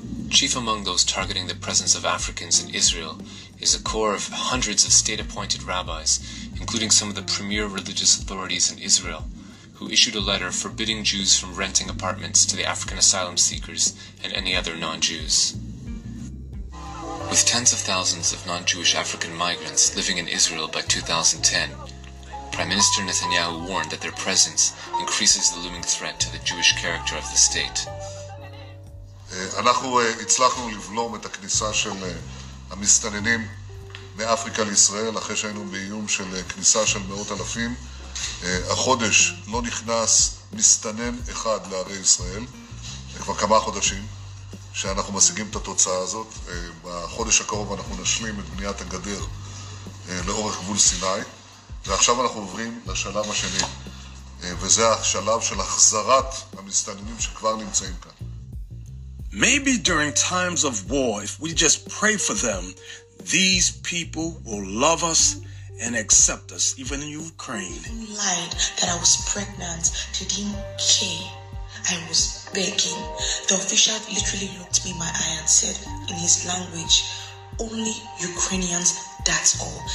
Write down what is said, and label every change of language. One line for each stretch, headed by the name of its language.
English: Chief among those targeting the presence of Africans in Israel is a corps of hundreds of state-appointed rabbis, including some of the premier religious authorities in Israel, who issued a letter forbidding Jews from renting apartments to the African asylum seekers and any other non-Jews. With tens of thousands of non-Jewish African migrants living in Israel by 2010, Prime Minister Netanyahu warned that their presence increases the looming threat to the Jewish character of the state.
Hebrew: אנחנו הצלחנו לבלום את הכניסה של המסתננים מאפריקה לישראל אחרי שהיינו באיום של כניסה של מאות אלפים. החודש לא נכנס מסתנן אחד לערי ישראל. כבר כמה חודשים שאנחנו משיגים את התוצאה הזאת. בחודש הקרוב אנחנו נשלים את בניית הגדר לאורך גבול סיני. ועכשיו אנחנו עוברים לשלב השני, וזה השלב של החזרת המסתננים שכבר נמצאים כאן.
English: Maybe during times of war, if we just pray for them, these people will love us and accept us, even in Ukraine. I lied that I was pregnant. They didn't care. I was begging. The official literally looked me in my eye and said in his language, only Ukrainians, that's all.